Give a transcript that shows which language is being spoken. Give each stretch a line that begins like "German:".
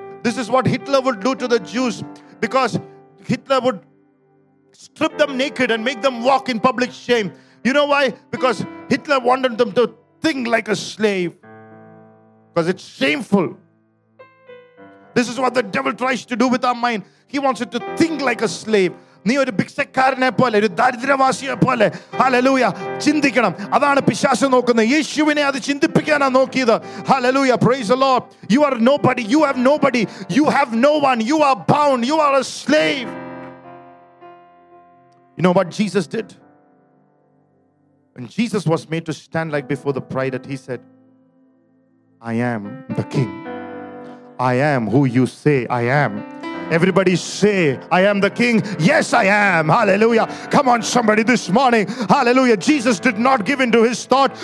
English: This is what Hitler would do to the Jews, because Hitler would strip them naked and make them walk in public shame. You know why? Because Hitler wanted them to think like a slave, because it's shameful. This is what the devil tries to do with our mind. He wants you to think like a slave.
Malayalam: നീ ഒരു ഭിക്ഷക്കാരനെ പോലെ, ഒരു ദരിദ്രവാസിയെ പോലെ, hallelujah, ചിന്തിക്കണം. അതാണ് പിശാച് നോക്കുന്നത്. യേശുവിനെ അത് ചിന്തിപ്പിക്കാനാണ് നോക്കിയത്.
English: Hallelujah, praise the Lord. You are nobody, you have nobody, you have no one, you are bound, you are a slave. You know what Jesus did? When Jesus was made to stand like before the pride, that he said, I am the king. I am who you say I am. Everybody say, I am the king. Yes, I am. Hallelujah. Come on, somebody, this morning. Hallelujah. Jesus did not give into his thought.